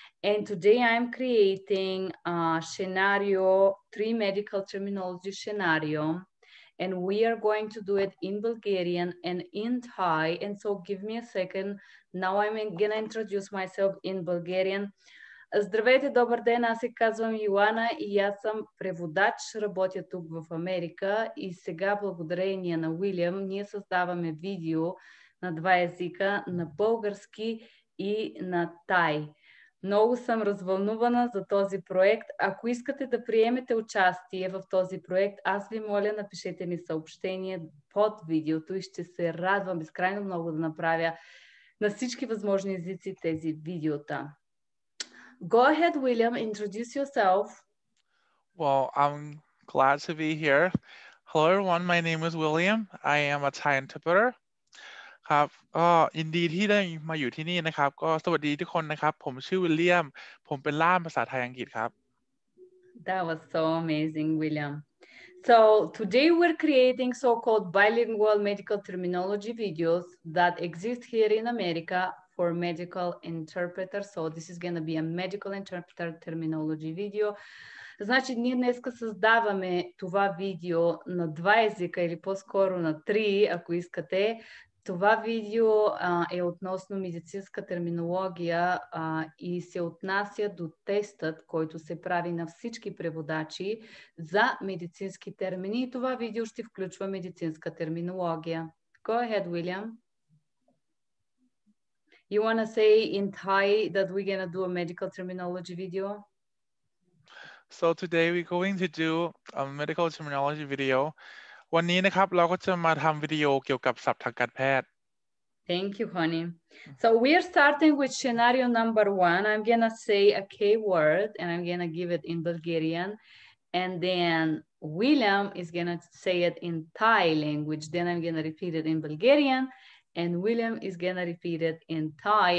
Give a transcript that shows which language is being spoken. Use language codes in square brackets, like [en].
[en] And today I'm creating a scenario, three medical terminology scenario. And we are going to do it in Bulgarian and in Thai. And so give me a second. Now I'm going to introduce myself in Bulgarian. [bg] Здравейте, добър ден, аз се казвам Йоана и аз съм преводач, работя тук в Америка и сега благодарение на Уилям ние създаваме видео на два езика, на български и на тай. Много съм развълнувана за този проект. Ако искате да приемете участие в този проект, аз ви моля, напишете ми съобщение под видеото и ще се радвам безкрайно много да направя на всички възможни езици тези видеота. [en] Go ahead, William, introduce yourself. Well, I'm glad to be here. Hello, everyone. My name is William. I am a Thai interpreter. [th] ครับก็ยินดีที่ได้มาอยู่ที่นี่นะครับก็สวัสดีทุกคนนะครับผมชื่อวิลเลียมผมเป็นล่ามภาษาไทยอังกฤษครับ [en] That was so amazing, William. So today we're creating so-called bilingual medical terminology videos that exist here in America. For medical interpreter. So this is going to be a medical interpreter terminology video. [bg] Значи, ние днеска създаваме това видео на два езика или по-скоро на три, ако искате. Това видео е относно медицинска терминология и се отнася до тестът, който се прави на всички преводачи за медицински термини. И това видео ще включва медицинска терминология. [en] Go ahead, William. You want to say in Thai that we're going to do a medical terminology video? So today we're going to do a medical terminology video. [th] วันนี้นะครับเราก็จะมาทำวิดีโอเกี่ยวกับศัพท์ทางการแพทย์ [en] Thank you, honey. So we're starting with scenario number one. I'm going to say a keyword and I'm going to give it in Bulgarian. And then William is going to say it in Thai language. Then I'm going to repeat it in Bulgarian. And William is gonna repeat it in Thai.